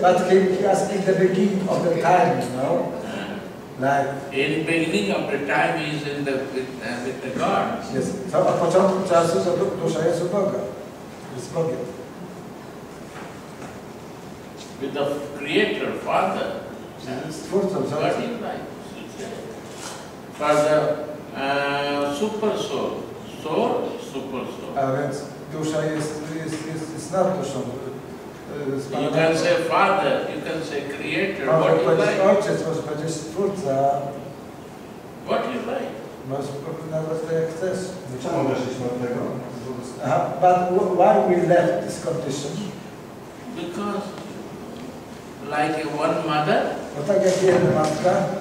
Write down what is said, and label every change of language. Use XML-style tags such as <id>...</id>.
<en>but in the beginning of the time, you know? Like, in the beginning of the time is in the with the God. Yes.</en> <pl>So at początku czasu dusza jest u Boga. Jest Bogiem.</pl> <en>With the Creator, Father.</en> <pl>Stwórcą,</pl> <en>God is like. For the super soul. soul, super soul.</en> <pl>A więc dusza jest nad duszą.</pl> <en>You can say father, you can say creator, what you like.</en> <pl>Ojciec, możesz powiedzieć twórca.</pl> <en>What you like.</en> <pl>Możesz powiedzieć nawet to jak chcesz. Czemu też jest martwego?</pl> <en>But why we left this condition? Because like one mother,</en> <pl>no tak jak jedna matka,</pl>